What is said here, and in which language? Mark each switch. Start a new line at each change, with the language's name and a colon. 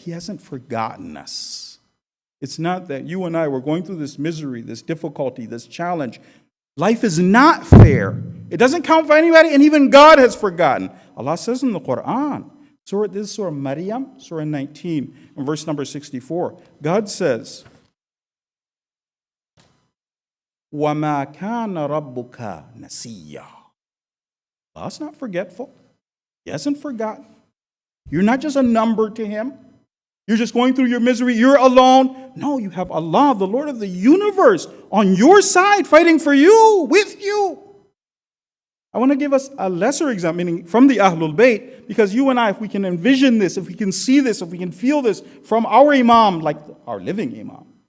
English: He hasn't forgotten us. It's not that you and I were going through this misery, this difficulty, this challenge. Life is not fair. It doesn't count for anybody, and even God has forgotten. Allah says in the Quran, this is Surah Maryam, Surah 19, and verse number 64. God says,
Arabic: وَمَا كَانَ رَبُّكَ نَسِيًّا.
English: Allah's not forgetful. He hasn't forgotten. You're not just a number to him. You're just going through your misery. You're alone. No, you have Allah, the Lord of the universe, on your side, fighting for you, with you. I want to give us a lesser example, meaning from the Ahlul Bayt, because you and I, if we can envision this, if we can see this, if we can feel this from our Imam, like our living Imam.